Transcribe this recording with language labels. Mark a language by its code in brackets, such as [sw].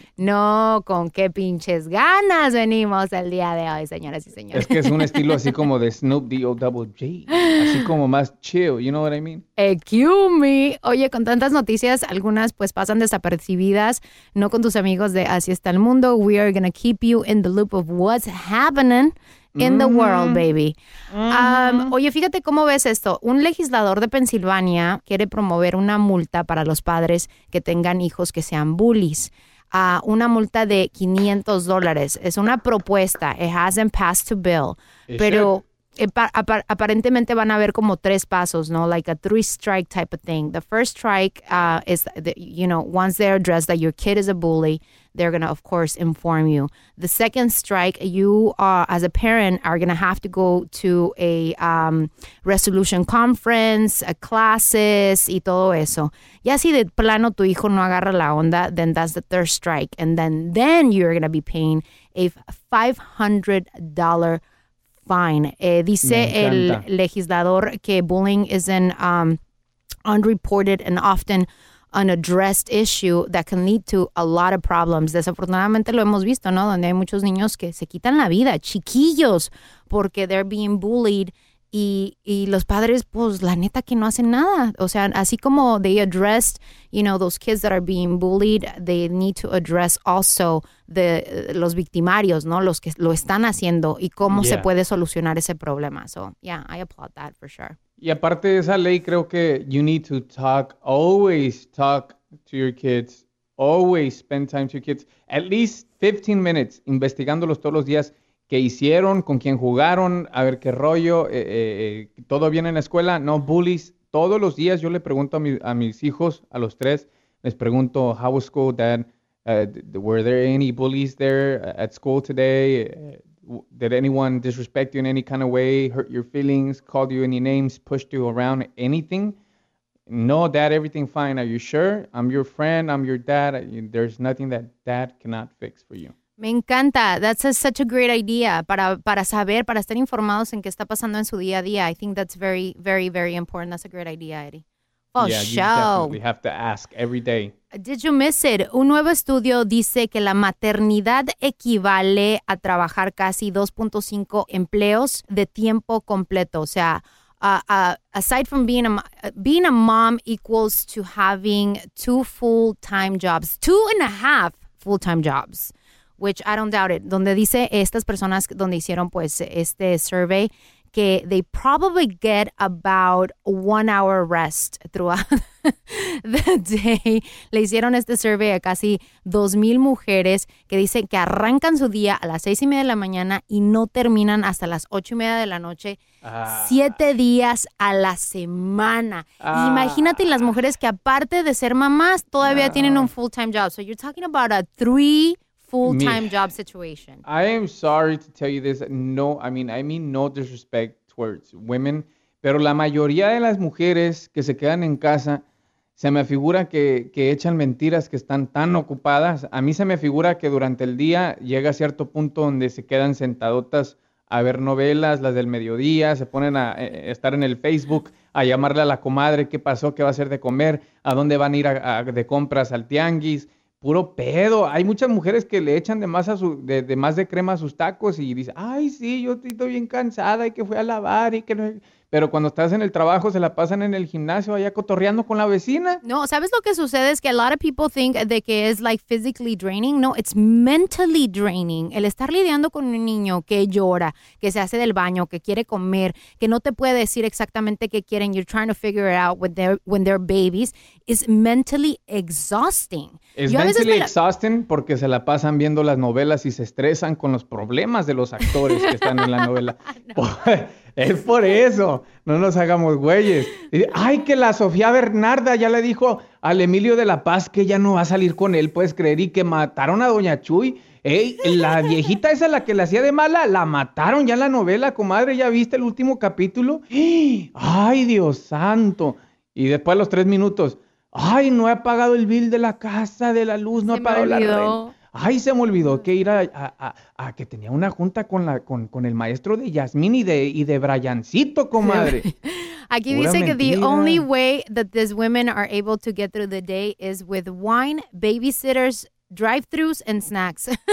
[es] No, con qué pinches ganas venimos el día de hoy, señoras y señores. Es que es un estilo así como de Snoop D-O-Double-G. Así como más chill, [en] you know what I mean? Excuse me. [es] Oye, con tantas noticias, algunas pues pasan desapercibidas. No con tus amigos de Así Está el Mundo. [en] We are going to keep you in the loop of what's happening in the world, baby. [es] Oye, fíjate cómo ves esto. Un legislador de Pensilvania quiere promover una multa para los padres que tengan hijos que sean bullies. Una multa de $500. Es una propuesta. [en] It hasn't passed to bill. [es] Pero aparentemente van a haber como tres pasos, ¿no? [en] Like a three strike type of thing. The first strike is, once they're addressed that your kid is a bully, they're going to, of course, inform you. The second strike, you are, as a parent, are going to have to go to a resolution conference, classes, [es] y todo eso. Y así de plano tu hijo no agarra la onda, [en] then that's the third strike. And then you're going to be paying a $500 fine. [es] Dice el legislador que [en] bullying is an unreported and often unaddressed issue that can lead to a lot of problems. [es] Desafortunadamente lo hemos visto, ¿no? Donde hay muchos niños que se quitan la vida, chiquillos, porque [en] they're being bullied [es] y los padres, pues, la neta que no hacen nada. O sea, así como [en] they addressed, those kids that are being bullied, they need to address also the [es] los victimarios, ¿no? Los que lo están haciendo y cómo se puede solucionar ese problema. [en] So, yeah, I applaud that for sure. [es] Y aparte de esa ley, creo que [en] you need to talk, always talk to your kids, always spend time to your kids, at least 15 minutes, [es] investigándolos todos los días, qué hicieron, con quién jugaron, a ver qué rollo, todo bien en la escuela, no bullies. Todos los días yo le pregunto a mis hijos, a los tres, les pregunto, [en] how was school, dad? Were there any bullies there at school today? Did anyone disrespect you in any kind of way, hurt your feelings, called you any names, pushed you around, anything? No, dad, everything fine. Are you sure? I'm your friend. I'm your dad. There's nothing that dad cannot fix for you. [es] Me encanta. [en] That's a, such a great idea [es] para saber, para estar informados en qué está pasando en su día a día. [en] I think that's very, very, very important. That's a great idea, Eddie. Oh, yeah, show. You definitely have to ask every day. Did you miss it? [es] Un nuevo estudio dice que la maternidad equivale a trabajar casi 2.5 empleos de tiempo completo. O sea, [en] aside from being a mom equals to having two full-time jobs, 2.5 full-time jobs, which I don't doubt it. [es] Donde dice estas personas, donde hicieron pues este survey, que [en] they probably get about 1 hour rest throughout the day. [es] Le hicieron este survey a casi 2,000 mujeres que dicen que arrancan su día a las 6:30 de la mañana y no terminan hasta las 8:30 de la noche, 7 días a la semana. Imagínate las mujeres que aparte de ser mamás, todavía tienen un full-time job. [en] So you're talking about a three full-time job situation. I am sorry to tell you this. [es] No, [en] I mean no disrespect towards women, [es] pero la mayoría de las mujeres que se quedan en casa, se me figura que echan mentiras, que están tan ocupadas. A mí se me figura que durante el día llega a cierto punto donde se quedan sentadotas a ver novelas, las del mediodía, se ponen a estar en el Facebook, a llamarle a la comadre, qué pasó, qué va a hacer de comer, a dónde van a ir a de compras, al tianguis. Puro pedo. Hay muchas mujeres que le echan de más a su, de más de crema a sus tacos y dice, ay, sí, yo estoy bien cansada y que fui a lavar y que no. Pero cuando estás en el trabajo, se la pasan en el gimnasio allá cotorreando con la vecina. No, ¿sabes lo que sucede? Es que [en] a lot of people think [es] de que es [en] like physically draining. No, it's mentally draining. [es] El estar lidiando con un niño que llora, que se hace del baño, que quiere comer, que no te puede decir exactamente qué quieren. [en] You're trying to figure it out when they're babies. Is mentally exhausting. [es] Es [en] mentally exhausting [es] porque se la pasan viendo las novelas y se estresan con los problemas de los actores que están en la novela. No. Es por eso, no nos hagamos güeyes. Ay, que la Sofía Bernarda ya le dijo al Emilio de la Paz que ya no va a salir con él, puedes creer, y que mataron a Doña Chuy. Ey, la viejita esa, la que le hacía de mala, la mataron ya en la novela, comadre, ¿ya viste el último capítulo? Ay, Dios santo. Y después a los 3 minutos, ay, no he pagado el bill de la casa, de la luz, no he pagado la renta. Ay, se me olvidó que ir a que tenía una junta con la con el maestro de Yasmín y de Briancito, comadre. Aquí pura dice mentira. Que [en] the only way that these women are able to get through the day is with wine, babysitters, drive-thrus, and snacks.